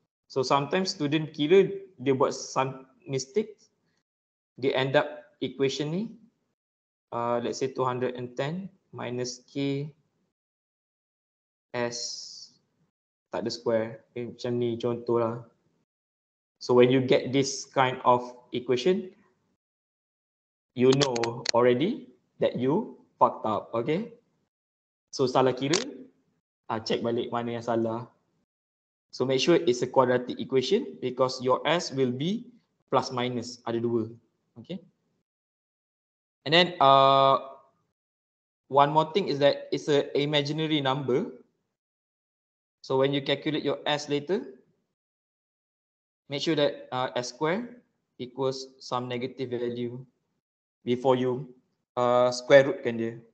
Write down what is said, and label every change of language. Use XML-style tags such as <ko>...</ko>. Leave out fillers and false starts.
<en>So sometimes student</en> <ms>kira dia buat</ms> <en>some mistake, dia end up equation ni, let's say 210 minus K S</en> <ms>tak ada</ms> <en>square, okay,</en> <ms>macam ni contoh lah.</ms> <en>So when you get this kind of equation, you know already that you fucked up, okay?</en> <ms>So salah kira, check balik mana yang salah.</ms> <en>So make sure it's a quadratic equation because your S will be plus minus,</en> <ms>ada dua,</ms> <en>okay? And then one more thing is that it's a imaginary number. So when you calculate your S later, make sure that S square equals some negative value before you square rootkan dia.</en>